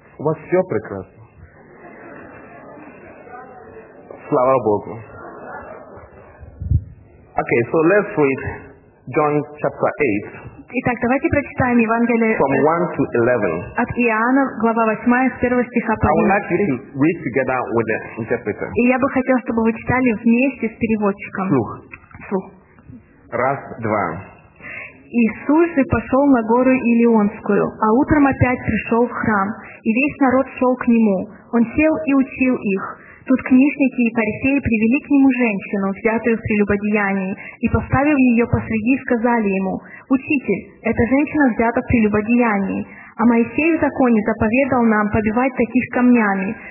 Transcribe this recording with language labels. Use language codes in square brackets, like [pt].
[ru] У вас все прекрасно. Слава Богу. Окей, [en] so let's read John chapter 8. [ru] Итак, давайте прочитаем Евангелие [en] from 1 to 11. [ru] От Иоанна, глава 8, с 1 стиха по [en] 11. I would like you to read together with the interpreter. [ru] И я бы хотел, чтобы вы читали вместе с переводчиком. Слух. Слух. раз, два. Иисус же пошел на гору Илионскую, а утром опять пришел в храм, и весь народ шел к нему. Он сел и учил их. Тут книжники и фарисеи привели к нему женщину, взятую в прелюбодеянии, и, поставив ее посреди, сказали ему: «Учитель, эта женщина взята в прелюбодеянии, а Моисей в законе заповедал нам побивать таких камнями.